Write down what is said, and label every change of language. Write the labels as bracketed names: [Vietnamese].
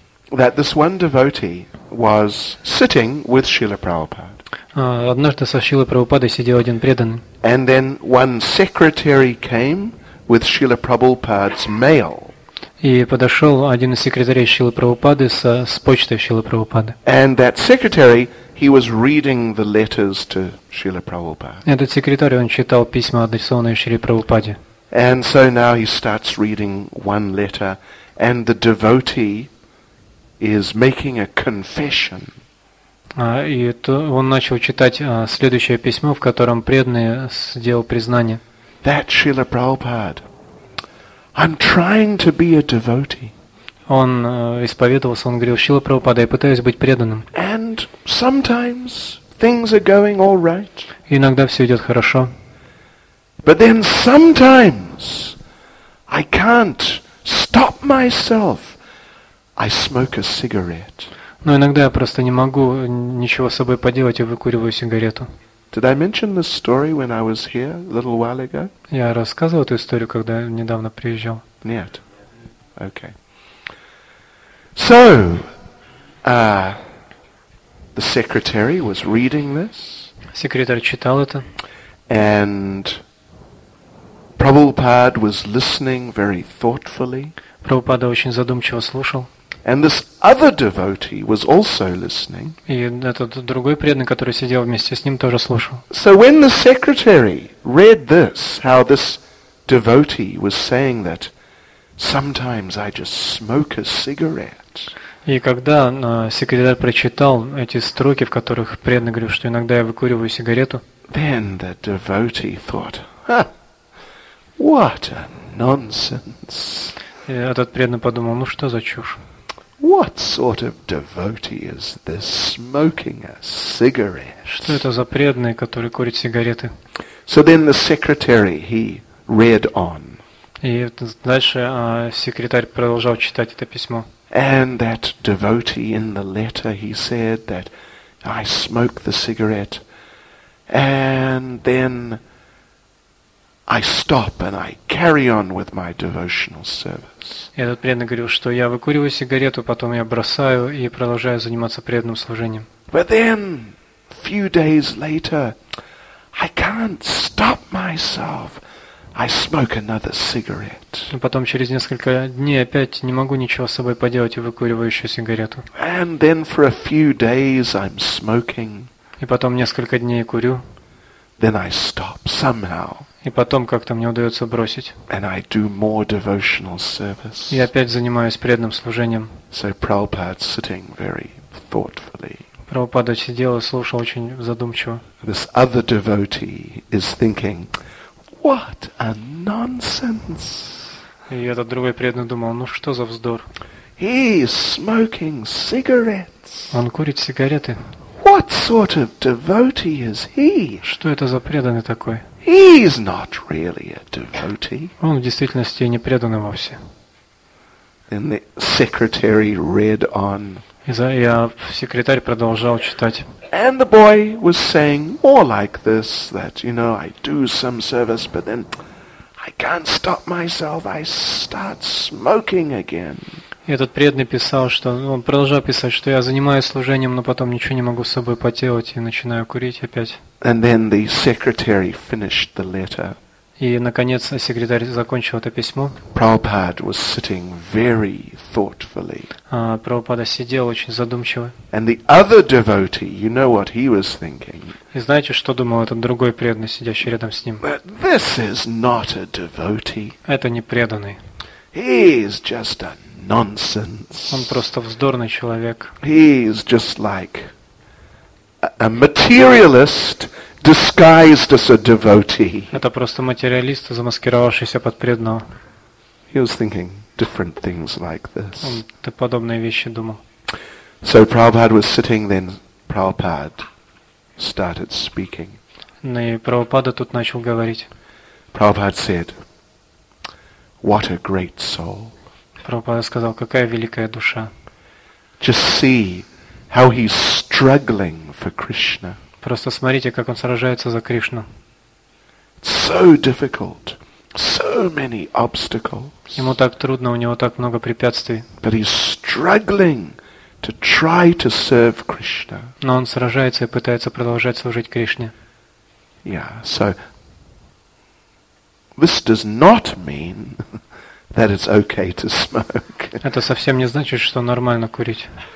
[English] That this one devotee was sitting with Srila Prabhupada. [Russian] Однажды со Шрилой Прабхупадой сидел один преданный. [English] And then one secretary came with Srila Prabhupada's mail. [Russian] И подошёл один из секретарей Шрилы Прабхупады с почтой Шрилы Прабхупады. [English] And that secretary, he was reading the letters to Srila Prabhupada. [Russian] Этот секретарь, он читал письма, адресованные Шриле Прабхупаде. [English] And so now he starts reading one letter, and the devotee is making a confession. [Russian] И то он начал читать следующее письмо, в котором преданный сделал признание. [English] That Srila Prabhupada, I'm trying to be a devotee. [Russian] Он исповедовался, он говорил, Шрила Прабхупада, я пытаюсь быть преданным. [English] And sometimes things are going all right. [Russian] Иногда все идет хорошо. [English] But then sometimes I can't stop myself. I smoke a cigarette. [Russian] Но иногда я просто не могу ничего с собой поделать и выкуриваю сигарету. [English] Did I mention this story when I was here a little while ago? [Russian] Я рассказывал эту историю, когда недавно приезжал. Нет. [English] Okay. So, the secretary was reading this. [Russian] Секретарь читал это. [English] And Prabhupada was listening very thoughtfully. [Russian] Прабхупада очень задумчиво слушал. [English] And this other devotee was also listening. [Russian] И этот другой преданный, который сидел вместе с ним, тоже слушал. [English] So when the secretary read this, how this devotee was saying that sometimes I just smoke a cigarette. [Russian] И когда секретарь прочитал эти строки, в которых преданный говорил, что иногда я выкуриваю сигарету, [English] then the devotee thought, ha, what a nonsense. [Russian] И этот преданный подумал, ну что за чушь? [English] What sort of devotee is this smoking a cigarette? [Russian] Что это за преданный, который курит сигареты? [English] So then the secretary, he read on. [Russian] И дальше секретарь продолжал читать это письмо. [English] And that devotee in the letter, he said that I smoke the cigarette and then I stop and I carry on with my devotional service. [Russian] И этот преданный говорил, что я выкуриваю сигарету, потом я бросаю и продолжаю заниматься преданным служением. [English] But then, a few days later, I can't stop myself. I smoke another cigarette. [Russian] Но потом через несколько дней опять не могу ничего с собой поделать и выкуриваю еще сигарету. [English] And then for a few days I'm smoking. [Russian] И потом несколько дней курю. [English] Then I stop somehow. [Russian] И потом как-то мне удается бросить. [English] And I do more devotional service. [Russian] И опять занимаюсь преданным служением. [English] So Prabhupada sitting very thoughtfully. [Russian] Прабхупада сидел и слушал очень задумчиво. [English] This other devotee is thinking, what a nonsense. [Russian] И этот другой преданный думал, ну что за вздор. [English] He is smoking cigarettes. [Russian] Он курит сигареты. [English] What sort of devotee is he? [Russian] Что это за преданный такой? [English] He is not really a devotee. [Russian] Он в действительности не преданный вовсе. [English] Then the secretary read on. [Russian] Секретарь продолжал читать. [English] And the boy was saying more like this, that, you know, I do some service, but then I can't stop myself, I start smoking again. [Russian] И этот преданный писал, что он продолжал писать, что я занимаюсь служением, но потом ничего не могу с собой поделать и начинаю курить опять. [English] And then the secretary finished the letter. [Russian] И наконец секретарь закончил это письмо. [English] Prabhupada was sitting very thoughtfully. [Russian] Прабхупада сидел очень задумчиво. [English] And the other devotee, you know what he was thinking? [Russian] И знаете, что думал этот другой преданный, сидящий рядом с ним? [English] But this is not a devotee. [Russian] Это не преданный. [English] He is just a nonsense. [Russian] Он просто вздорный человек. [English] He is just like a materialist disguised as a devotee. [Russian] Это просто материалист, замаскировавшийся под преданного. [English] He was thinking different things like this. [Russian] Он подобные вещи думал. [English] So Prabhupada was sitting, then Prabhupada started speaking. [Russian] И Прабхупада тут начал говорить. [English] Prabhupada said, "What a great soul." [Russian] Прабхупада сказал, какая великая душа. [English] Just see how he's struggling for Krishna. [Russian] Просто смотрите, как он сражается за Кришну. [English] So difficult. So many obstacles. [Russian] Ему так трудно, у него так много препятствий. [English] But he's struggling to try to serve Krishna. [Russian] Но он сражается и пытается продолжать служить Кришне. [English] Yeah, so this does not mean that it's okay to smoke. [Russian] Это совсем не значит, что нормально курить.